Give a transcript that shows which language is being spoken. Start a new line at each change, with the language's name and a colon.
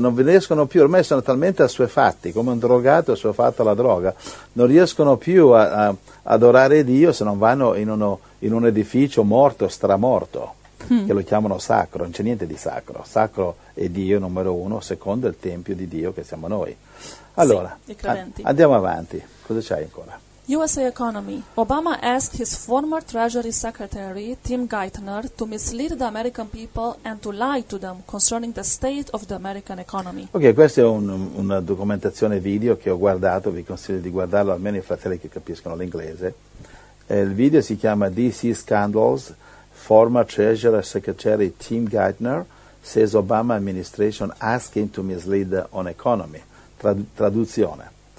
Italian: Non riescono più, ormai sono talmente assuefatti, come un drogato assuefatto alla droga, non riescono più a adorare Dio se non vanno in un edificio morto, stramorto, che lo chiamano sacro, non c'è niente di sacro. Sacro è Dio numero uno, secondo il Tempio di Dio che siamo noi. Allora, andiamo avanti, cosa c'hai ancora?
English: USA Economy. Obama asked his former Treasury Secretary, Tim Geithner, to mislead the American people and to lie to them concerning the state of the American economy.
Italian: Ok, questa è una documentazione video che ho guardato, vi consiglio di guardarlo, almeno i fratelli che capiscono l'inglese. Il video si chiama DC Scandals,
English: former Treasury Secretary Tim Geithner says Obama administration asking to mislead on economy.
Italian: Traduzione.